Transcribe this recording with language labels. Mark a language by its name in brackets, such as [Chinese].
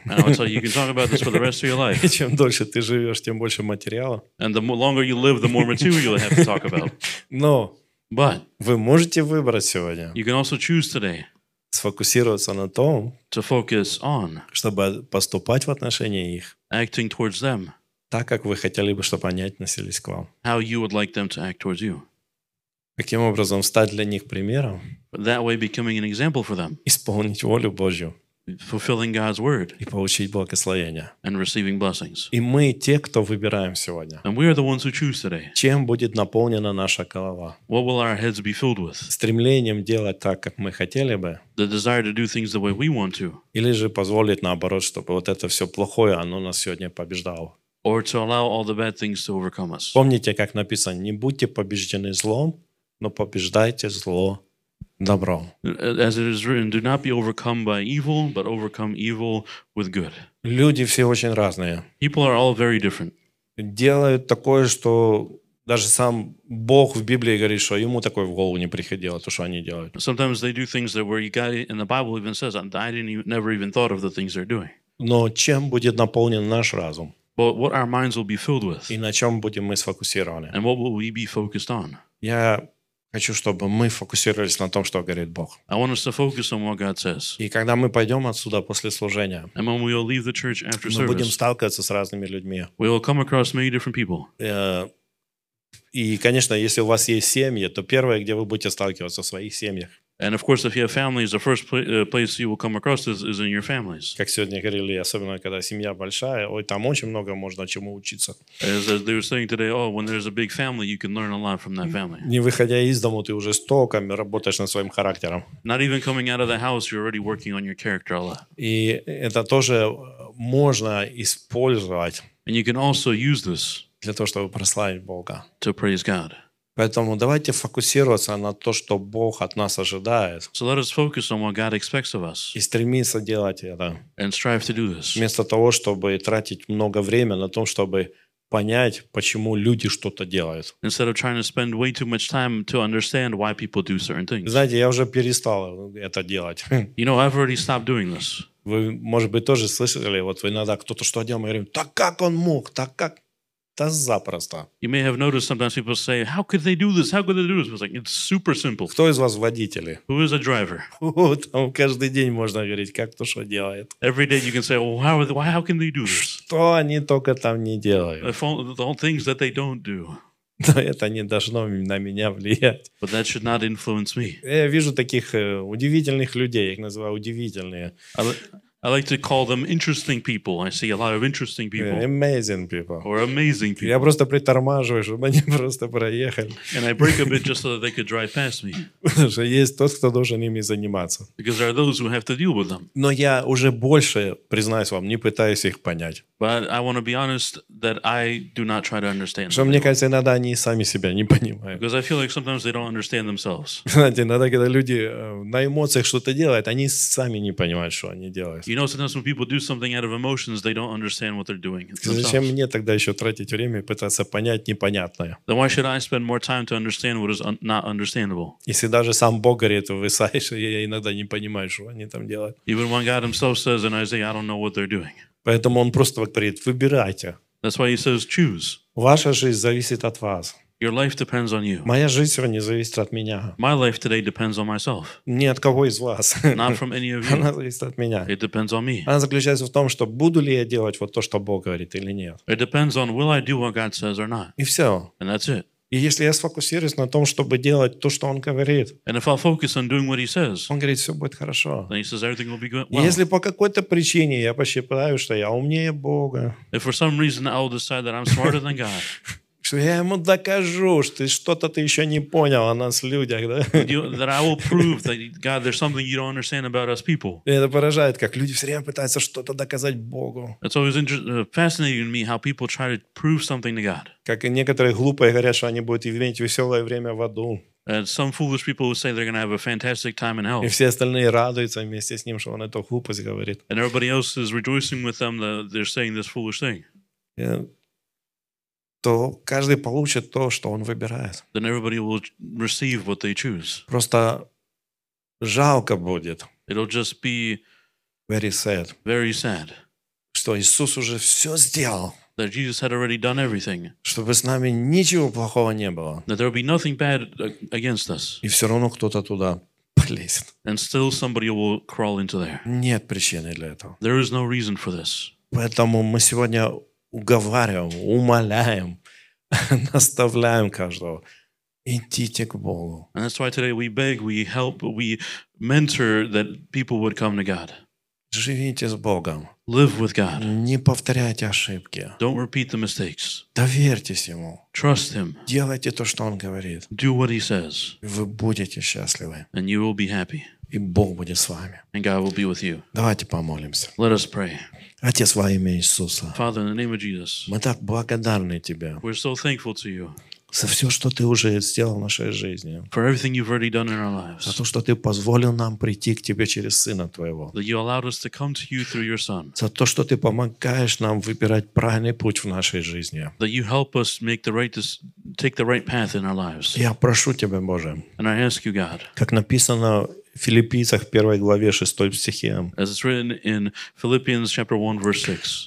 [English] And I'll tell you, you can talk about this for the rest of your life. [Russian] И чем дольше ты живешь, тем больше материала. [English] And the longer you live, the more material you have to talk about. [Russian] Но [English] But [Russian] вы можете выбрать сегодня. [English] You can also choose today. [Russian] Сфокусироваться на том, [English] to focus on, [Russian] чтобы поступать в отношении их [English] acting towards them, [Russian] так, как вы хотели бы, чтобы они относились к вам. [English] How you would like them to act towards you. [Russian] Каким образом стать для них примером, [English] that way becoming an example for them, [Russian] исполнить волю Божью, [English] fulfilling God's word, [Russian] и получить благословение. [English] And receiving blessings. [Russian] И мы те, кто выбираем сегодня. [English] And we are the ones who choose today. [Russian] Чем будет наполнена наша голова? [English] What will our heads be filled with? [Russian] Стремлением делать так, как мы хотели бы. [English] The desire to do things the way we want to. [Russian] Или же позволить наоборот, чтобы вот это все плохое, оно нас сегодня побеждало. [English] Or to allow all the bad things to overcome us. [Russian] Помните, как написано, не будьте побеждены злом, но побеждайте зло. Добро. [English] As it is written, do not be overcome by evil, but overcome evil with good. [Russian] Люди все очень разные. [English] People are all very different. [Russian] Делают такое, что даже сам Бог в Библии говорит, что ему такое в голову не приходило, то, что они делают. [English] Sometimes they do things that where you got it, and the Bible even says, I didn't even, never even thought of the things they're doing. [Russian] Но чем будет наполнен наш разум? [English] But what our minds will be filled with? [Russian] И на чем будем мы сфокусированы? [English] And what will we be focused on? [Russian] Я хочу, чтобы мы фокусировались на том, что говорит Бог. [English] I want us to focus on what God says. [Russian] И когда мы пойдем отсюда после служения, [English] And when we will leave the church after [Russian] мы [English] service, [Russian] будем сталкиваться с разными людьми. [English] We will come across many different people. [Russian] И, конечно, если у вас есть семьи, то первое, где вы будете сталкиваться в своих семьях. [English] And of course, if you have families, the first place you will come across is in your families. [Russian] Как сегодня говорили, особенно когда семья большая, ой, там очень много можно чему учиться. [English] As they were saying today, oh, when there's a big family, you can learn a lot from that family. [Russian] Не выходя из дому, ты уже столько работаешь над своим характером. [English] Not even coming out of the house, you're already working on your character a lot. [Russian] И это тоже можно использовать. [English] And you can also use this [Russian] для того, чтобы прославить Бога. [English] To praise God. [Russian] Поэтому давайте фокусироваться на то, что Бог от нас ожидает. [English] So let us focus on what God expects of us. [Russian] И стремиться делать это. [English] And strive to do this. [Russian] Вместо того, чтобы тратить много времени на том, чтобы понять, почему люди что-то делают. [English] Instead of trying to spend way too much time to understand why people do certain things. [Russian] Знаете, я уже перестал это делать. [English] You know, I've already stopped doing this. [Russian] Вы, может быть, тоже слышали, вот иногда кто-то что делал, мы говорим, так как он мог, так как? [English] You may have noticed sometimes people say, how could they do this? How could they do this? It's like, it's super simple. [Russian] Кто из вас водители? [English] Who is a driver? [Russian] Там каждый день можно говорить, как кто что делает. [English] Every day you can say, well, how can they do this? [Russian] Что они только там не делают? [English] The whole things that they don't do. [Russian] Но это не должно на меня влиять. [English] But that should not influence me. [Russian] Я вижу таких удивительных людей, я их называю удивительные. [English] I like to call them interesting people. I see a lot of interesting people. Yeah, amazing people. Or amazing people. [Russian] Я просто притормаживаю, чтобы они просто проехали. [English] And I break a bit just so that they could drive past me. [Russian] Потому что есть тот, кто должен ими заниматься. [English] Because there are those who have to deal with them. [Russian] Но я уже больше, признаюсь вам, не пытаюсь их понять. [English] But I want to be honest that I do not try to understand them. [Russian] Мне кажется, иногда они сами себя не понимают. [English] Because I feel like sometimes they don't understand themselves. [Russian] Знаете, иногда, когда люди на эмоциях что-то делают, они сами не понимают, что они делают. [English] You know, sometimes when people do something out of emotions, they don't understand what they're doing. [Russian] Зачем мне тогда еще тратить время и пытаться понять непонятное? [English] Then why should I spend more time to understand what is not understandable? [Russian] Если даже сам Бог говорит, в Исаии, я иногда не понимаю, что они там делают. [English] Even when God Himself says in Isaiah, I don't know what they're doing. [Russian] Поэтому Он просто говорит, выбирайте. [English] That's why He says, choose. [Russian] Ваша жизнь зависит от вас. [English] Your life depends on you. [Russian] Моя жизнь сегодня зависит от меня. [English] My life today depends on myself. [Russian] Не от кого из вас. [English] Not from any of you. [Russian] Она зависит от меня. [English] It depends on me. [Russian] Она заключается в том, что буду ли я делать вот то, что Бог говорит, или нет. [English] It depends on will I do what God says or not. [Russian] И все. [English] And that's it. [Russian] И если я сфокусируюсь на том, чтобы делать то, что он говорит, [English] and if I'll focus on doing what he says, [Russian] он говорит, все будет хорошо. [English] Then he says, everything will be good. [Russian] Well, если по какой-то причине я посчитаю, что я умнее Бога, [English] if for some reason I'll decide that I'm smarter than God, [Russian] что я ему докажу, что что-то ты еще не понял о нас, людях. Да? [English] That I will prove that, God, there's something you don't understand about us people. [Russian] И это поражает, как люди все время пытаются что-то доказать Богу. [English] It's always fascinating to me how people try to prove something to God. [Russian] Как и некоторые глупые говорят, что они будут иметь веселое время в аду. [English] And some foolish people will say they're going to have a fantastic time in hell. [Russian] И все остальные радуются вместе с ним, что он эту глупость говорит. [English] And everybody else is rejoicing with them that they're saying this foolish thing. Yeah. [Russian] То каждый получит то, что он выбирает. [English] Then everybody will receive what they choose. Просто жалко будет. It'll just be very sad. Very sad. [Russian] Что Иисус уже все сделал. [English] That Jesus had already done everything. [Russian] Чтобы с нами ничего плохого не было. [English] That there will be nothing bad against us. [Russian] И все равно кто-то туда полезет. [English] And still somebody will crawl into there. [Russian] Нет причины для этого. [English] There is no reason for this. [Russian] Поэтому мы сегодня уговариваем, умоляем, наставляем каждого. Идите к Богу. [English] And that's why today we beg, we help, we mentor that people would come to God. [Russian] Живите с Богом. [English] Live with God. [Russian] Не повторяйте ошибки. [English] Don't repeat the mistakes. [Russian] Доверьтесь Ему. [English] Trust Him. [Russian] Делайте то, что Он говорит. [English] Do what He says. [Russian] Вы будете счастливы. [English] And you will be happy. [Russian] И Бог будет с вами. [English] And God will be with you. [Russian] Давайте помолимся. [English] Let us pray. [Russian] Отец, во имя Иисуса. [English] Father, in the name of Jesus. [Russian] Мы так благодарны Тебе. [English] We're so thankful to you. [Russian] За все, что Ты уже сделал в нашей жизни. [English] For everything you've already done in our lives. [Russian] За то, что Ты позволил нам прийти к Тебе через Сына Твоего. [English] That you allowed us to come to you through your Son. [Russian] За то, что Ты помогаешь нам выбирать правильный путь в нашей жизни. [English] That you help us make the right, take the right path in our lives. [Russian] Я прошу Тебя, Боже. [English] And I ask you, God. [Russian] Как написано в Филиппийцах, 1 главе, 6 стихе. [English] As it's written in Philippians chapter 1, verse 6.